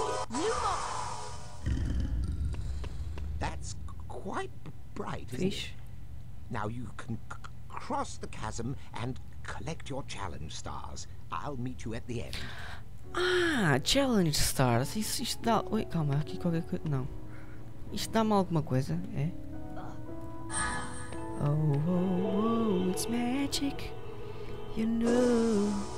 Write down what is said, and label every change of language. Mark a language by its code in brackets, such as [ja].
[en] Lumos! That's quite bright, isn't Fish. It? Now you can cross the chasm and collect your challenge stars. I'll meet you at the end. [pt] Ah, challenge stars, isto dá... Ui, calma, aqui qualquer coisa... Não. Isto dá-me alguma coisa, é? [en] Oh, oh, oh, it's magic, you know.